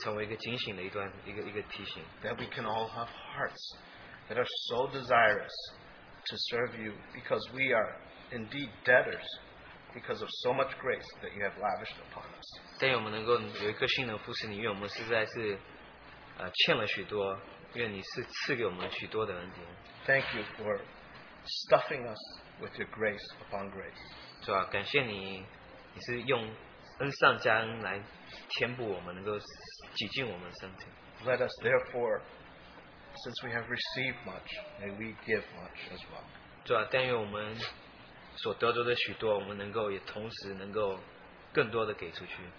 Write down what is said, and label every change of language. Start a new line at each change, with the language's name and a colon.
Chinese: 主啊，但愿这个能够成为对于许多人能够已经冷却的这份冷淡的这些人能够是成为一个警醒的一段一个提醒。
English: That we can all have hearts that are so desirous to serve you because we are indeed debtors because of so much grace that you have lavished upon us.
Chinese: 但愿我们能够有一颗心能服侍你，因为我们实在是欠了许多，愿你是赐给我们许多的恩典。
English: Thank you for stuffing us with your grace upon grace.
Chinese: 主啊，感谢你，你是用恩上加恩来填补我们，能够挤进我们身体。
English: Let us therefore, since we have received much, may we give much as well.
Chinese: 主啊，但愿我们所得着的许多，我们能够也同时能够更多的给出去。